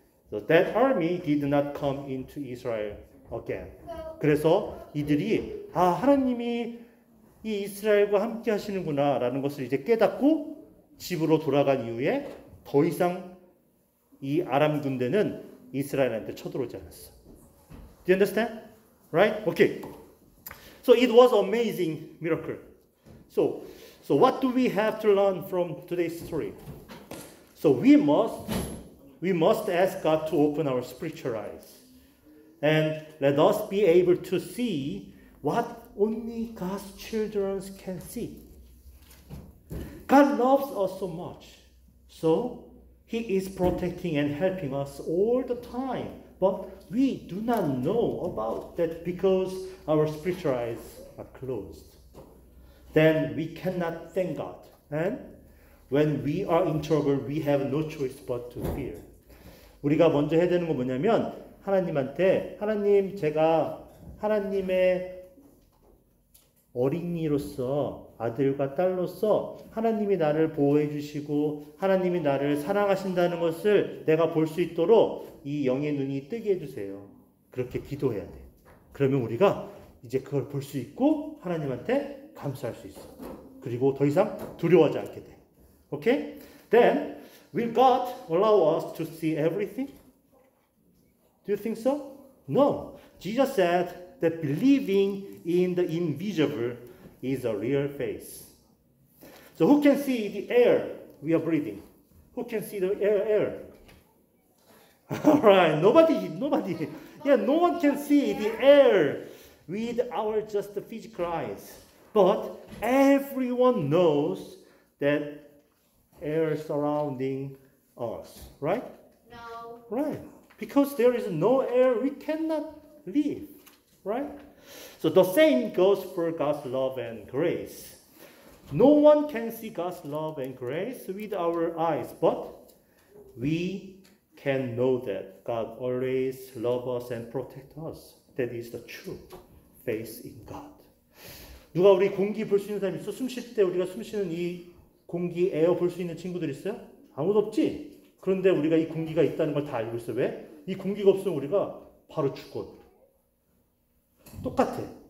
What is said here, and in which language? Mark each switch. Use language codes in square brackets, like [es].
[en] So that army did not come into Israel again. [ko] 그래서 이들이 아, 하나님이 이 이스라엘과 함께 하시는구나 라는 것을 이제 깨닫고 집으로 돌아간 이후에 더 이상 이 아람 군대는 이스라엘한테 쳐들어오지 않았어. [en] Do you understand? Right? Okay. So it was amazing miracle. So what do we have to learn from today's story? So we must ask God to open our spiritual eyes. And let us be able to see what only God's children can see. God loves us so much. So He is protecting and helping us all the time. But we do not know about that because our spiritual eyes are closed. Then we cannot thank God. And when we are in trouble, we have no choice but to fear. [ko] 우리가 먼저 해야 되는 건 뭐냐면 하나님한테 하나님 제가 하나님의 어린이로서 아들과 딸로서 하나님이 나를 보호해 주시고 하나님이 나를 사랑하신다는 것을 내가 볼 수 있도록 이 영의 눈이 뜨게 해주세요. 그렇게 기도해야 돼. 그러면 우리가 이제 그걸 볼 수 있고 하나님한테 감사할 수 있어. 그리고 더 이상 두려워하지 않게 돼. [en] Okay? Then, will God allow us to see everything? Do you think so? No. Jesus said that believing in the invisible is a real faith. So who can see the air we are breathing? Who can see the air? All right, nobody. Yeah, no one can see the air with our just physical eyes. But everyone knows that air surrounding us, right? No. Right. Because there is no air, we cannot live, right? So the same goes for God's love and grace. No one can see God's love and grace with our eyes, but we can know that God always loves us and protects us. That is the true faith in God. [ko] 누가 우리 공기 볼 수 있는 사람 있어? 숨 쉴 때 우리가 숨 쉬는 이 공기, 에어 볼 수 있는 친구들 있어요? 아무도 없지? 그런데 우리가 이 공기가 있다는 걸 다 알고 있어. 왜? 이 공기가 없으면 우리가 바로 죽어. 똑같아.